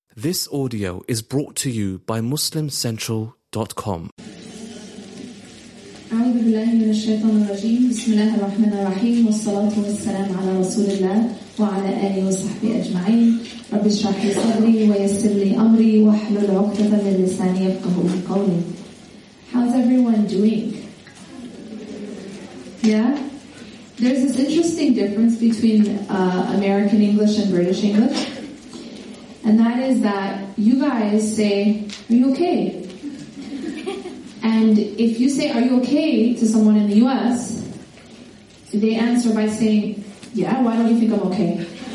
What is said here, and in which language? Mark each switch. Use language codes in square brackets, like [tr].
[en] This audio is brought to you by MuslimCentral.com. [ar] أعوذ بالله من الشيطان الرجيم. بسم الله الرحمن الرحيم. والصلاة والسلام على رسول الله وعلى آله وصحبه أجمعين. رب اشرح لي صدري ويسر لي أمري واحلل عقدة من لساني يفقهوا قولي. [en] How's everyone doing? Yeah? There's this interesting difference between American English and British English. And that is that you guys say, are you okay? And if you say, are you okay, to someone in the US, they answer by saying, yeah, why don't you think I'm okay?